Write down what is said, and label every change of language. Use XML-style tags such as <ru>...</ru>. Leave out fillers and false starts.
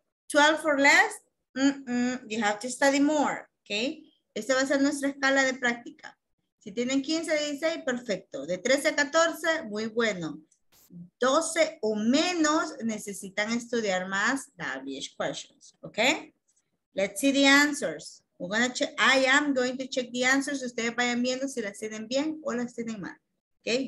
<en>12 or less, you have to study more, okay?</en> <es>Esta va a ser nuestra escala de práctica. Si tienen 15 a 16, perfecto. De 13 a 14, muy bueno. 12 o menos necesitan estudiar más WH questions, okay?</es> <en>Let's see the answers. We're gonna check, I am going to check the answers.</en> <es>Ustedes vayan viendo si las tienen bien o las tienen mal, okay?</es>